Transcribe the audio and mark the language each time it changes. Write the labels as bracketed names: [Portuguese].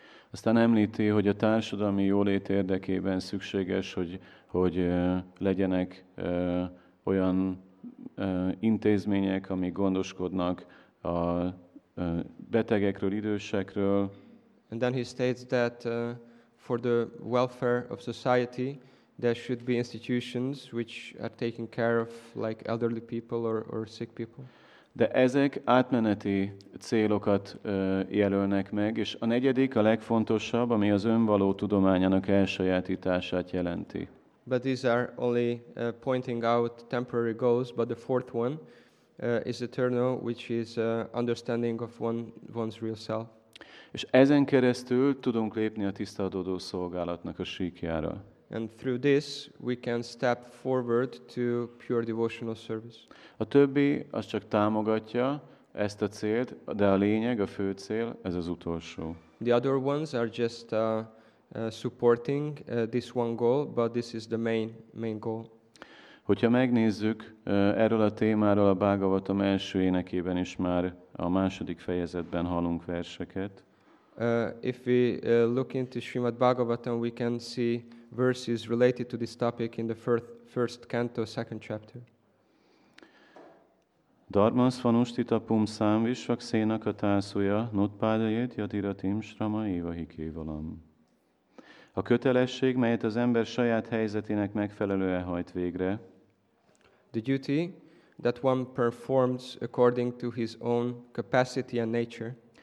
[Hungarian] Aztán említi, hogy a társadalmi jólét érdekében szükséges, hogy legyenek olyan intézmények, amik gondoskodnak a betegekről, idősekről. [English] And then he states that for the welfare of society, there should be institutions which are taking care of like elderly people or sick people. [Hungarian] De ezek átmeneti célokat jelölnek meg, és a negyedik, a legfontosabb, ami az önvaló tudományának elsajátítását jelenti. [English] But these are only pointing out temporary goals, but the fourth one is eternal, which is understanding of one's real self. [Hungarian] És ezen keresztül tudunk lépni a tisztaadódó szolgálatnak a síkjára. [English] And through this we can step forward to pure devotional service. [Hungarian] A többi az csak támogatja ezt a célt, de a lényeg, a fő cél, ez az utolsó. [English] The other ones are just supporting this one goal, but this is the main goal. [Hungarian] Hogyha megnézzük erről a témáról a Bhágavatam első énekében is már a második fejezetben hallunk verseket. [English] If we look into Srimad Bhagavatam, we can see verses related to this topic in the first canto, second chapter. [Sanskrit] Dharmas vanustita pum sam visvaksena katasuya nutpadayet yadiratim shrama eva hikevalam. [Hungarian] A kötelesség, melyet az ember saját helyzetének megfelelően hajt végre. [English] The duty that one performs according to his own capacity and nature.